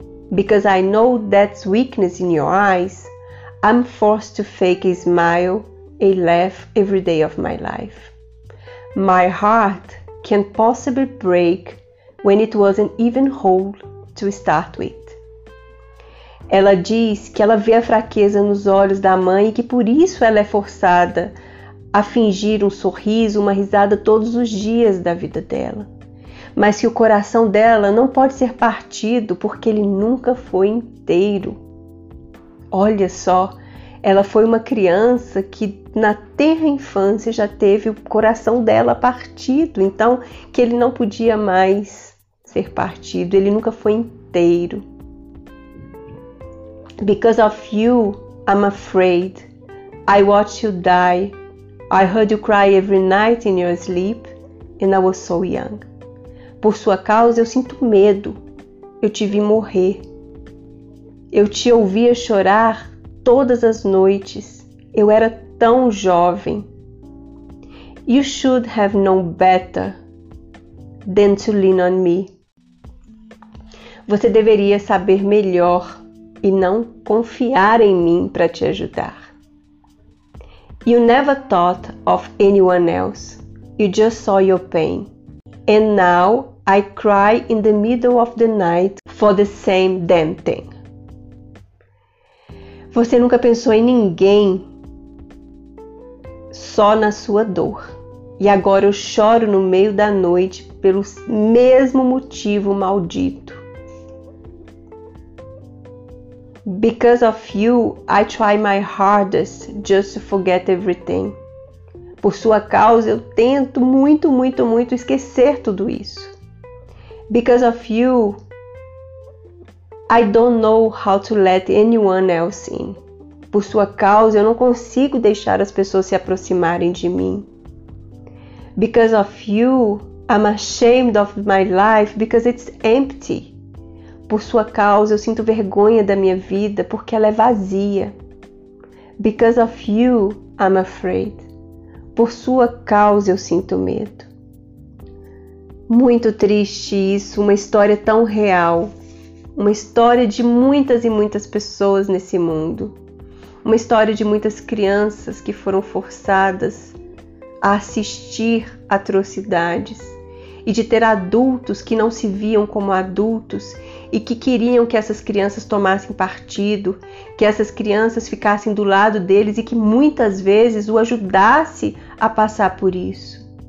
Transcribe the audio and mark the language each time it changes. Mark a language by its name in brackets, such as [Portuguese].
[English] Because I know that's weakness in your eyes, I'm forced to fake a smile, a laugh every day of my life. My heart can't possibly break when it wasn't even whole to start with. [Portuguese] Ela diz que ela vê a fraqueza nos olhos da mãe e que por isso ela é forçada a fingir um sorriso, uma risada todos os dias da vida dela. Mas que o coração dela não pode ser partido porque ele nunca foi inteiro. Olha só, ela foi uma criança que na tenra infância já teve o coração dela partido, então que ele não podia mais ser partido, ele nunca foi inteiro. [English] Because of you, I'm afraid. I watched you die. I heard you cry every night in your sleep, and I was so young. [Portuguese] Por sua causa, eu sinto medo. Eu te vi morrer. Eu te ouvia chorar todas as noites. Eu era tão jovem. [English] You should have known better than to lean on me. [Portuguese] Você deveria saber melhor e não confiar em mim para te ajudar. [English] You never thought of anyone else. You just saw your pain. And now I cry in the middle of the night for the same damn thing. [Portuguese] Você nunca pensou em ninguém, só na sua dor. E agora eu choro no meio da noite pelo mesmo motivo maldito. [English] Because of you, I try my hardest just to forget everything. [Portuguese] Por sua causa, eu tento muito, muito, muito esquecer tudo isso. [English] Because of you, I don't know how to let anyone else in. [Portuguese] Por sua causa, eu não consigo deixar as pessoas se aproximarem de mim. [English] Because of you, I'm ashamed of my life because it's empty. [Portuguese] Por sua causa, eu sinto vergonha da minha vida porque ela é vazia. [English] Because of you, I'm afraid. [Portuguese] Por sua causa, eu sinto medo. Muito triste isso, uma história tão real. Uma história de muitas e muitas pessoas nesse mundo. Uma história de muitas crianças que foram forçadas a assistir atrocidades e de ter adultos que não se viam como adultos e que queriam que essas crianças tomassem partido, que essas crianças ficassem do lado deles e que muitas vezes o ajudasse a passar por isso.